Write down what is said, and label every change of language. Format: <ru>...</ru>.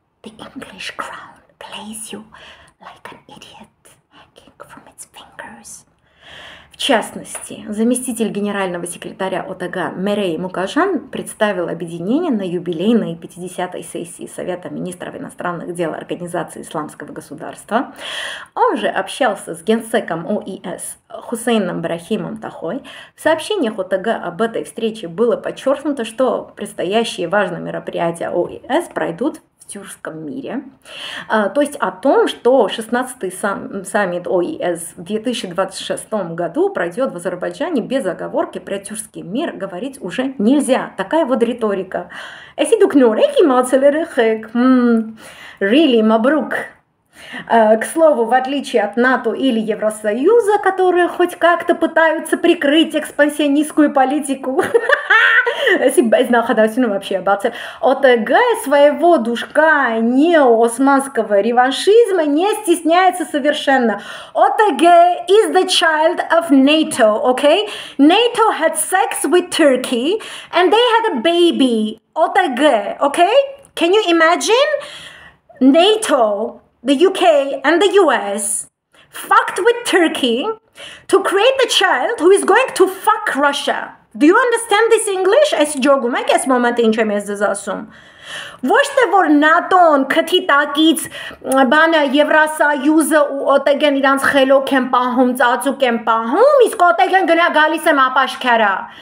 <en>The English crown plays you like an idiot, hanging from its fingers.</en> <ru>В частности, заместитель генерального секретаря ОТГ Мерей Мукажан представил объединение на юбилейной 50-й сессии Совета министров иностранных дел Организации Исламского государства. Он же общался с генсеком ОИС Хусейном Брахимом Тахой. В сообщениях ОТГ об этой встрече было подчеркнуто, что предстоящие важные мероприятия ОИС пройдут в тюркском мире. То есть о том, что 16-й саммит ОИС в 2026 году пройдет в Азербайджане без оговорки про тюркский мир, говорить уже нельзя. Такая вот риторика. Really, Мабрук. К слову, в отличие от НАТО или Евросоюза, которые хоть как-то пытаются прикрыть экспансионистскую политику, ОТГ своего душка неоосманского реваншизма не стесняется совершенно.</ru> <en>ОТГ is the child of NATO, okay? NATO had sex with Turkey and they had a baby. ОТГ, okay? Can you imagine? NATO, the UK and the US fucked with Turkey to create the child who is going to fuck Russia. Do you understand this English?</en> <hy>Այս ջոգում եք ես մոմենտը ինչ եմ ես ձեզ ասում? Ոչ թե որ ՆԱՏՕ-ն քթի տակից բանը Եվրասոյուզը ու ՕՏԳ-ն իրանց խելոք են պահում, ծածուկ են պահում, իսկ ՕՏԳ-ն գնա գալիս է ապաշքարա.</hy>